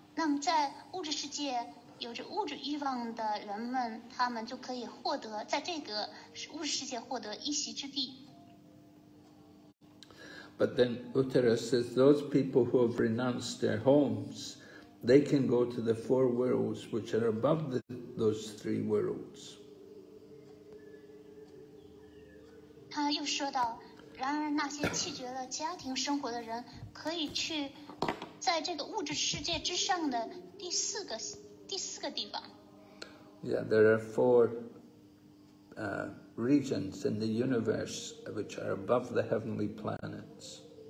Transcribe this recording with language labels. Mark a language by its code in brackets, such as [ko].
[zh] 那么在物质世界有着物质欲望的人们，他们就可以获得在这个物质世界获得一席之地。 [en] But then Uttara says those people who have renounced their homes, they can go to the four worlds which are above those three worlds. [zh] 他又说到，然而那些弃绝了家庭生活的人，可以去在这个物质世界之上的第四个地方。 [en] Yeah, there are four regions in the universe which are above the heavenly planets.